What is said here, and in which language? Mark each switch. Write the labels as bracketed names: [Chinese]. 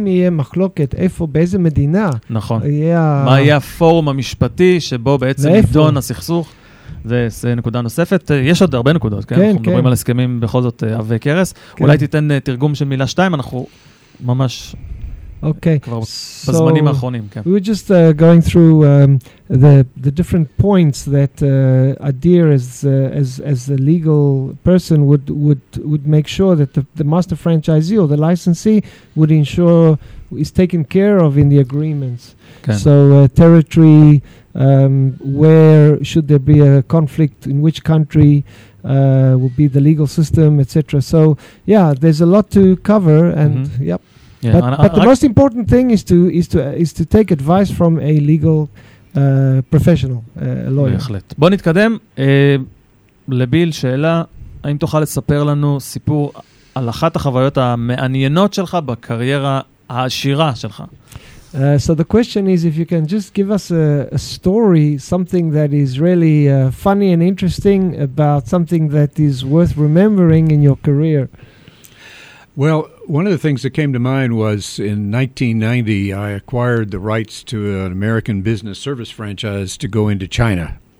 [Hebrew] אם יהיה מחלוקת, איפה, באיזה מדינה? נכון. יהיה מה יהיה הפורום המשפטי שבו בעצם נדון הסכסוך? זה נקודה נוספת. יש עוד הרבה נקודות, כן? כן, אנחנו מדברים על הסכמים בכל זאת אבי קרס. כן. אולי תיתן תרגום של מילה שתיים, אנחנו ממש [English] okay. [Hebrew] כבר בזמנים האחרונים. כן. [English] We were just going through the different points that Adir as a legal person would make sure that the master franchisee or the licensee would ensure is taken care of in the agreements. [Hebrew] כן. [English] So territory, where should there be a conflict, in which country would be the legal system, etc. So yeah, there's a lot to cover and yep. Yeah, but the most important thing is to take advice from a legal professional, a lawyer. [Hebrew] בהחלט. בוא נתקדם. לביל, שאלה, האם תוכל לספר לנו סיפור על אחת החוויות המעניינות שלך בקריירה השירה שלך. [English] So the question is if you can just give us a story, something that is really funny and interesting about something that is worth remembering in your career. Well, one of the things that came to mind was in 1990, I acquired the rights to an American business service franchise to go into China.